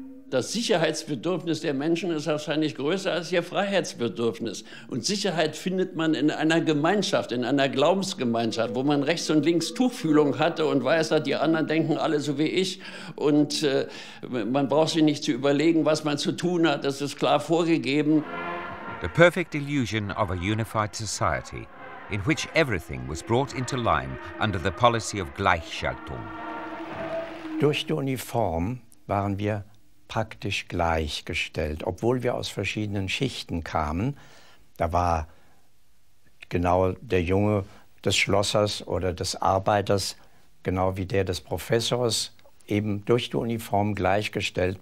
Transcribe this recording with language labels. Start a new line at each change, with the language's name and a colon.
German: Das Sicherheitsbedürfnis der Menschen ist wahrscheinlich größer als ihr Freiheitsbedürfnis. Und Sicherheit findet man in einer Gemeinschaft, in einer Glaubensgemeinschaft, wo man rechts und links Tuchfühlung hatte und weiß, dass die anderen denken alle so wie ich. Und man braucht sich nicht zu überlegen, was man zu tun hat. Das ist klar vorgegeben.
English: The perfect illusion of a unified society, in which everything was brought into line under the policy of Gleichschaltung.
German: Durch die Uniform waren wir praktisch gleichgestellt, obwohl wir aus verschiedenen Schichten kamen. Da war genau der Junge des Schlossers oder des Arbeiters, genau wie der des Professors, eben durch die Uniform gleichgestellt.